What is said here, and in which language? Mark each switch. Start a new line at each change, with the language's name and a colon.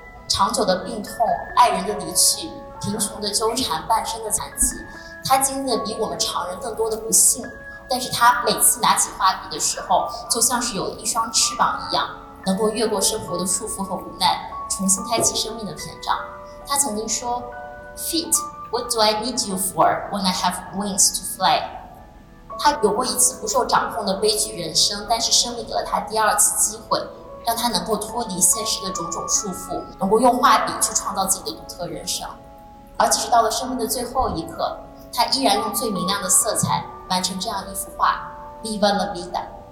Chinese: 长久的病痛、爱人的离去、贫穷的纠缠、半身的残疾，他经历了比我们常人更多的不幸，但是他每次拿起画笔的时候，就像是有一双翅膀一样，能够越过生活的束缚和无奈，重新开启生命的篇章。他曾经说
English: Feet, what do I need you for when I have wings to fly?
Chinese: 他有过一次不受掌控的悲剧人生，但是生命给了他第二次机会，让他能够脱离现实的种种束缚，能够用画笔去创造自己的独特人生。而即使到了生命的最后一刻，他依然用最明亮的色彩完成这样一幅画 Viva La Vida。